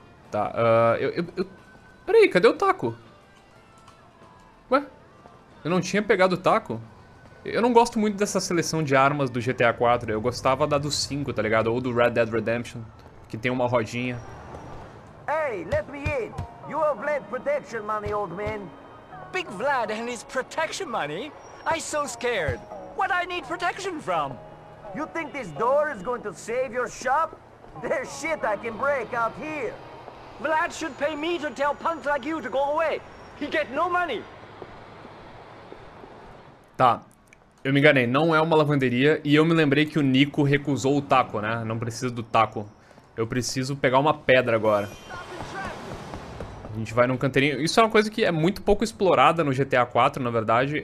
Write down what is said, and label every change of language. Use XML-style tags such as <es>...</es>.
<pt>Tá, peraí, cadê o taco? Ué? Eu não tinha pegado o taco? Eu não gosto muito dessa seleção de armas do GTA 4. Eu gostava da do 5, tá ligado? Ou do Red Dead Redemption, que tem uma rodinha.</pt> <en>Hey, let me in. You have lent protection money, old man. Big Vlad and his protection money? I'm so scared. What I need protection from? You think this door is going to save your shop? There's shit I can break out here. Vlad should pay me to tell punks like you to go away. He get no money.</en> <pt>Tá. Eu me enganei, não é uma lavanderia e eu me lembrei que o Nico recusou o taco, né? Não precisa do taco. Eu preciso pegar uma pedra agora. A gente vai num canteirinho. Isso é uma coisa que é muito pouco explorada no GTA 4, na verdade.</pt>